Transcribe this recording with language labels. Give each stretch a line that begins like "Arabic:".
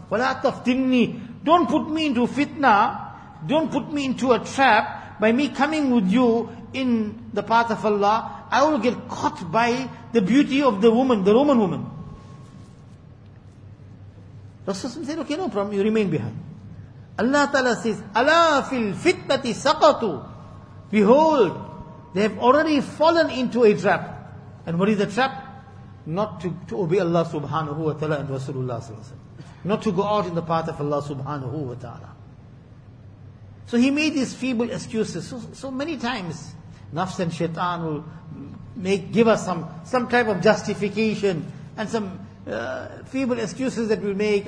Arabic: وَلَا تَفْتِنِّي.
English: Don't put me into fitna. Don't put me into a trap. By me coming with you in the path of Allah, I will get caught by the beauty of the woman, the Roman woman. Rasulullah said, okay, no problem, you remain behind. Allah Ta'ala says,
Arabic: أَلَا فِي الْفِتْنَةِ سَقَطُوا.
English: Behold, they have already fallen into a trap. And what is the trap? not to obey Allah subhanahu wa ta'ala and Rasulullah sallallahu alayhi wa sallam. Not to go out in the path of Allah subhanahu wa ta'ala. So he made these feeble excuses. So many times, nafs and shaitan will give us some type of justification and some feeble excuses that we make.